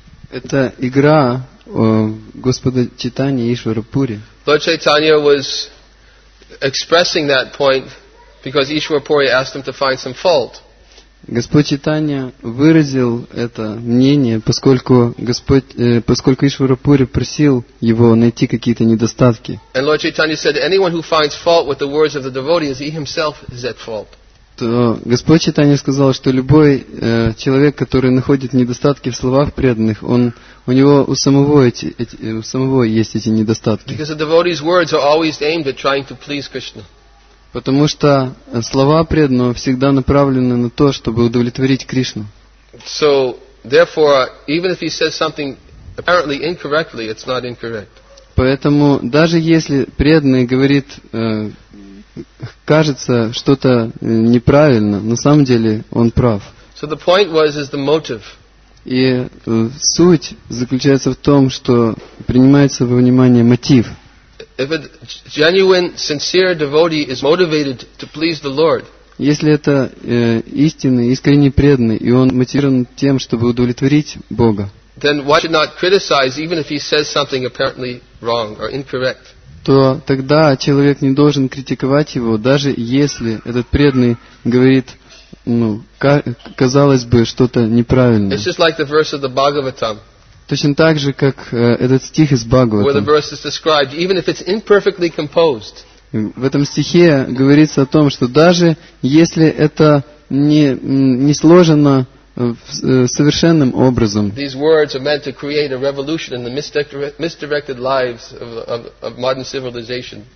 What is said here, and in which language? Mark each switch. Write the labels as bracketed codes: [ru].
[ru] Это игра Господа Чайтаньи и Ишварапури. [en] Lord Chaitanya was expressing that point because Ishwarpuri asked him to find some fault. [ru] Господь Чайтанья выразил это мнение, поскольку Ишварапури просил его найти какие-то недостатки. [en] And Lord Chaitanya said, anyone who finds fault with the words of the devotees, he himself is at fault. [ru] То Господь Чайтанья сказал, что любой человек, который находит недостатки в словах преданных, у него у самого есть эти недостатки. [en] Because the devotee's words are always aimed at trying to please Krishna. [ru] Потому что слова преданного всегда направлены на то, чтобы удовлетворить Кришну. [en] So, therefore, even if he says something apparently incorrectly, it's not incorrect. [ru] Поэтому даже если преданный говорит кажется что-то неправильно, на самом деле он прав. [en] So the point was, is the motive. [ru] И суть заключается в том, что принимается во внимание мотив. [en] If a genuine, sincere devotee is motivated to please the Lord, [ru] если это истинный, искренне преданный, и он мотивирован тем, чтобы удовлетворить Бога, [en] then one should not criticize even if he says something apparently wrong or incorrect. [ru] То тогда человек не должен критиковать его, даже если этот преданный говорит, ну, казалось бы, что-то неправильное. [en] It's just like the verse of the Bhagavatam. [ru] Точно так же, как этот стих из Бхагаватам. [en] Where the verse is described, even if it's imperfectly composed. [ru] В этом стихе говорится о том, что даже если это не сложено совершенным образом. [en] These words are meant to create a revolution in the misdirected lives of modern civilization.